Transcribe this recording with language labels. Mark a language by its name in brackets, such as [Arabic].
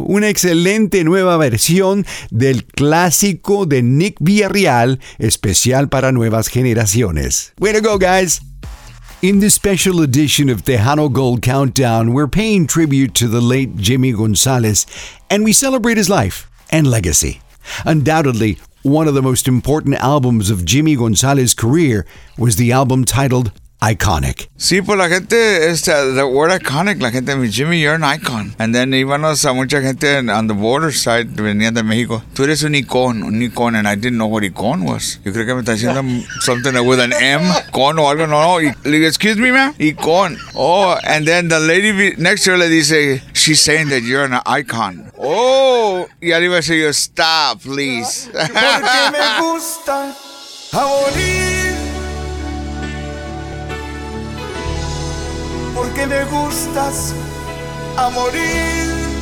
[Spanish] Una excelente nueva versión del clásico de Nick Villarreal, especial para nuevas generaciones. [English] Way to go, guys. In this special edition of Tejano Gold Countdown, we're paying tribute to the late Jimmy Gonzalez, and we celebrate his life and legacy. Undoubtedly, one of the most important albums of Jimmy Gonzalez's career was the album titled Iconic. [Spanish] Sí, pues la gente, [English] the word iconic, [Spanish] la gente, Jimmy, [English] you're an icon. And then [Spanish] íbamos a mucha gente [English] on the border side, [Spanish] venía de México. Tú eres un [English] icon, and I didn't know what icon was. [Spanish] Yo creo que me está diciendo [English] something with an M, [Spanish] con o algo, no, [English] excuse me, man, icon. Oh, and then the lady next to her [Spanish] le dice, [English] she's saying that you're an icon. [Spanish] Oh, y ahí va a decir, [English] stop, please. [Spanish] Porque me gusta a morir. Porque me gustas a morir.